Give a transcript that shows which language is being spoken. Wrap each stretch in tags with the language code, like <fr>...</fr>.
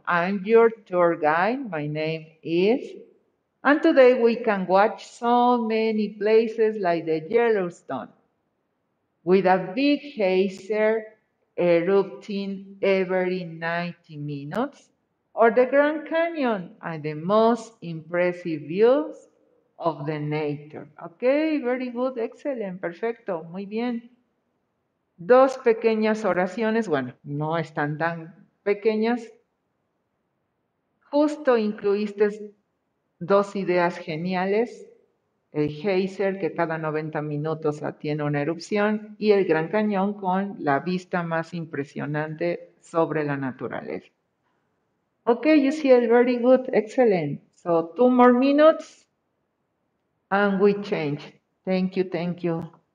<en>I'm your tour guide. My name is, and today we can watch so many places like the Yellowstone with a big geyser erupting every 90 minutes, or the Grand Canyon and the most impressive views of the nature. Okay, very good, excellent,</en> <es>perfecto, muy bien. Dos pequeñas oraciones, bueno, no están tan pequeñas. Justo incluiste dos ideas geniales, el geyser que cada 90 minutos tiene una erupción y el Gran Cañón con la vista más impresionante sobre la naturaleza.</es> <en>Okay, you see it, very good, excellent. So two more minutes. And we change. Thank you, thank you.</en>